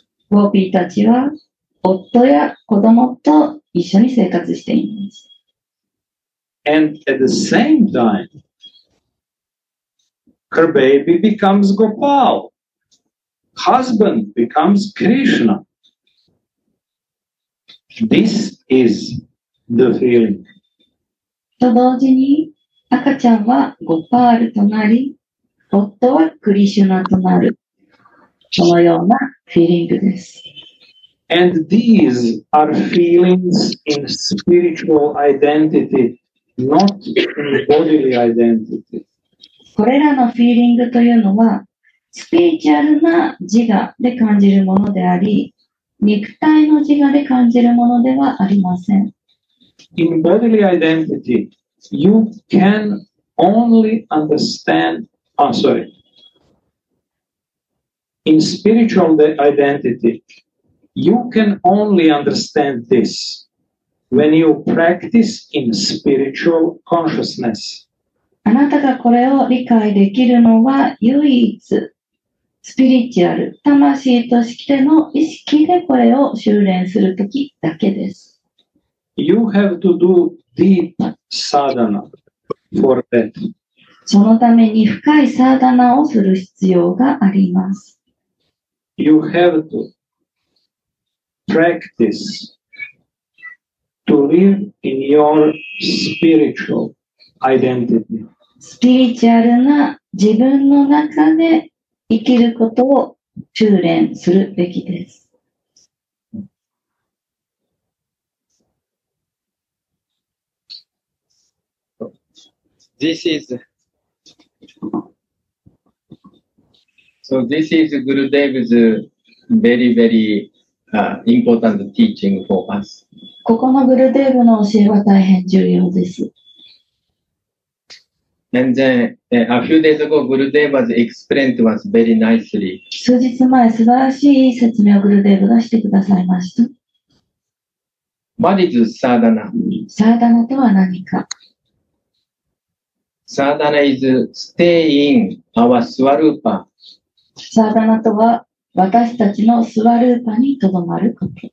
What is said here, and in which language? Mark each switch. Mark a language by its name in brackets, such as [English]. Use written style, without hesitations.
[Japanese] Gopi たちは夫や子供と一緒に生活しています。 [English] And at the same time, her baby becomes Gopal. husband becomes Krishna. This is the feeling. [Japanese] と同時に赤ちゃんはゴパールとなり、夫はクリシュナとなる。そのようなフィーリングです。 [English] And these are feelings in spiritual identity, not in bodily identity. [Japanese] これらのフィーリングというのは、スピリチュアルな自我で感じるものであり、肉体の自我で感じるものではありません。 [English] In bodily identity, you can only understand, In spiritual identity, you can only understand this when you practice in spiritual consciousness. [Japanese] あなたがこれを理解できるのは唯一、スピリチュアル、魂としての意識でこれを修練するときだけです。 [English] You have to do deep sadhana for that. [Japanese] そのために深いサーダナをする必要があります。 [English] You have to practice to live in your spiritual identity. [Japanese] スピリチュアルな自分の中で生きることを修練するべきです。 [English] This is so. This is Gurudev's very, very、important teaching for us. [Japanese] ここのグルデーブの教えは大変重要です。 [English] And then、a few days ago, Gurudev was explained to us very nicely. [Japanese] 数日前、素晴らしい説明をグルデーブがしてくださいました。 [English] What is sadhana? [Japanese] Sadhana とは何か。 [English] Sadhana is staying our swarupa. [Japanese] Sadhana とは私たちのスワルーパにとどまること。